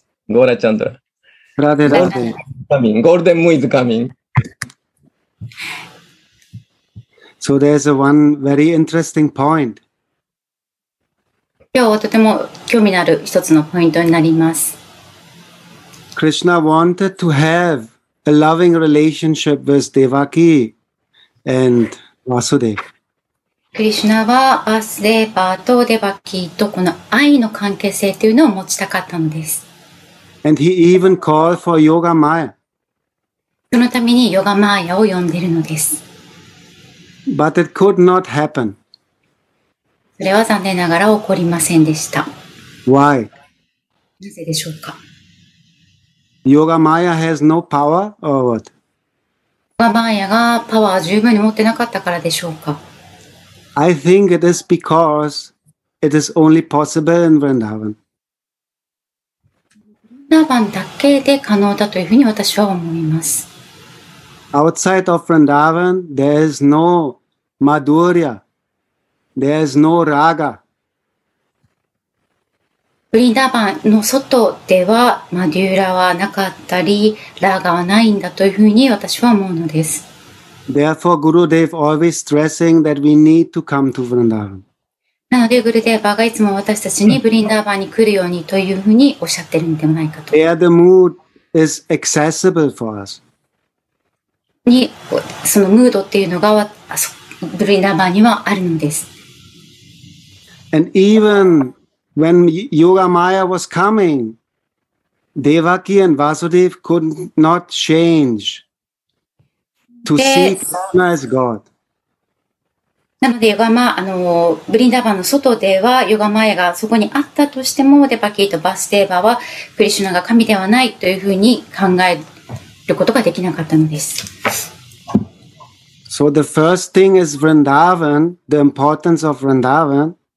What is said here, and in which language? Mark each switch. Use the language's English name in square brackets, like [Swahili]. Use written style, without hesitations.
[English] Gora Chandra. Radhe Radhe. Coming. Golden moon is coming. So there's a one very interesting point. [Japanese] 今日はとても興味のある一つのポイントになります。 [English] Krishna wanted to have a loving relationship with Devaki and Vasudeva. [Japanese] クリシュナはバスデーバーとデバキーとこの愛の関係性というのを持ちたかったのです。 [English] And he even called for Yoga Maya. [Japanese] そのためにヨガマーヤを呼んでいるのです。 [English] But it could not happen. [Japanese] それは残念ながら起こりませんでした。 [English] Why? [Japanese] なぜでしょうか? [English] Yoga Maya has no power or what? [Japanese] ヨガマーヤがパワーを十分に持ってなかったからでしょうか? [English] I think it is because it is only possible in Vrindavan. [Japanese] Vrindavan だけで可能だというふうに私は思います。 [English] Outside of Vrindavan, there is no Madhurya. There is no Raga. [Japanese] Vrindavan の外ではマデューラはなかったり、ラガはないんだというふうに私は思うのです。 [English] Therefore, Gurudev always stressing that we need to come to Vrindavan. [Japanese] なので、グルデーバーがいつも私たちにブリンダーバーに来るようにというふうにおっしゃってるんではないかと。 [English] There, the mood is accessible for us. [Japanese] に、そのムードっていうのがブリンダーバーにはあるのです。 [English] And even when Yoga Maya was coming, Devaki and Vasudev could not change. To see Krishna as God. [Japanese] なので、ヨガマ、ブリンダーバンの外では、ヨガマヤがそこにあったとしても、デバキーとバスデーバは、クリシュナが神ではないというふうに考えることができなかったのです。 [English] So the first thing is Vrindavan, the importance of Vrindavan.